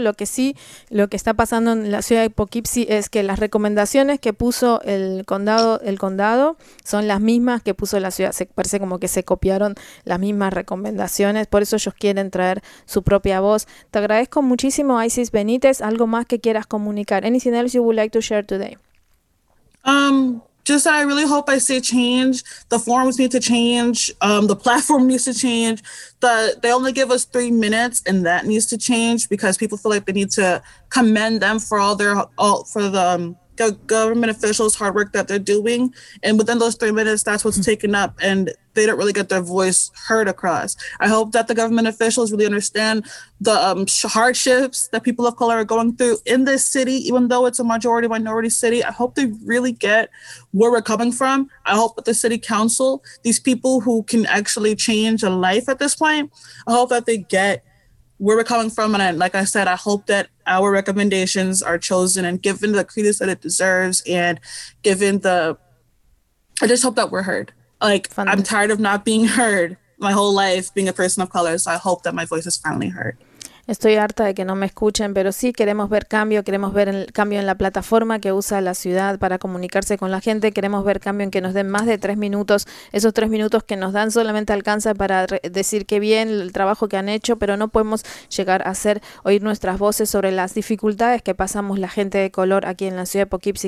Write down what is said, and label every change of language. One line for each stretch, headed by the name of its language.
Spanish: Lo que sí, lo que está pasando en la ciudad de Poughkeepsie es que las recomendaciones que puso el condado son las mismas que puso la ciudad. Se parece como que se copiaron las mismas recomendaciones. Por eso ellos quieren traer su propia voz. Te agradezco muchísimo, Isis Benítez. ¿Algo más que quieras comunicar?
English: Anything else you would like to share today? Just that I really hope I see change. The forums need to change. The platform needs to change. They only give us 3 minutes, and that needs to change because people feel like they need to commend them for all the government officials' hard work that they're doing. And within those 3 minutes, that's what's taken up, and they don't really get their voice heard across. I hope that the government officials really understand the hardships that people of color are going through in this city, even though it's a majority-minority city. I hope they really get where we're coming from. I hope that the city council, these people who can actually change a life at this point, I hope that they get where we're coming from. And like I said, I hope that our recommendations are chosen and given the credence that it deserves, and I just hope that we're heard. Like, I'm tired of not being heard my whole life being a person of color, so I hope that my voice is finally heard.
Spanish: Estoy harta de que no me escuchen, pero sí queremos ver cambio, queremos ver el cambio en la plataforma que usa la ciudad para comunicarse con la gente, queremos ver cambio en que nos den más de 3 minutos, esos 3 minutos que nos dan solamente alcanza para decir qué bien el trabajo que han hecho, pero no podemos llegar a hacer oír nuestras voces sobre las dificultades que pasamos la gente de color aquí en la ciudad de Poughkeepsie.